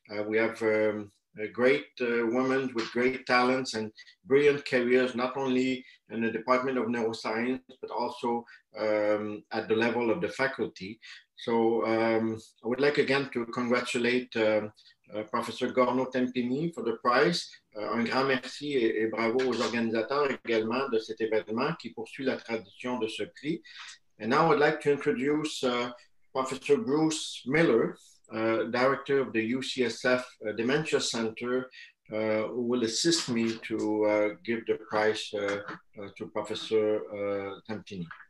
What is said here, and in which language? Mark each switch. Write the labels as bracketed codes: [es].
[en] We have great women with great talents and brilliant careers, not only in the Department of Neuroscience, but also at the level of the faculty. So I would like again to congratulate Professor Gorno-Tempini for the prize. [fr] Un grand merci et bravo aux organisateurs également de cet événement qui poursuit la tradition de ce prix. [en] And now I'd like to introduce Professor Bruce Miller, Director of the UCSF Dementia Center, who will assist me to give the prize to Professor Tempini.